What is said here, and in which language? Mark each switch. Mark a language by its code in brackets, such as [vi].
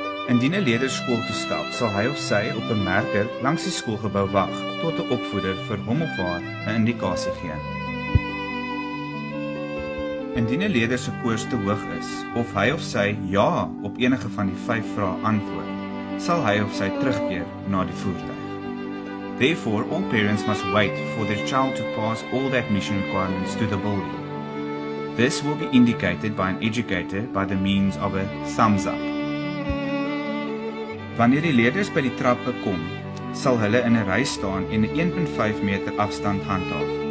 [af] Indien 'n leerder skool toe stap, sal hy of sy op 'n merker langs die skoolgebou wag tot 'n opvoeder vir hom of haar 'n indikasie gee. Indien 'n leerder se koers te hoog is of hy of sy ja op enige van die 5 vrae antwoord, sal hy of sy terugkeer na die voertuig. [en] Therefore, all parents must wait for their child to pass all the admission requirements to the building. This will be indicated by an educator by the means of a thumbs up. [af] Wanneer die leerders by die trappe kom, sal hulle in 'n ry staan en 'n 1.5 meter afstand handhaaf.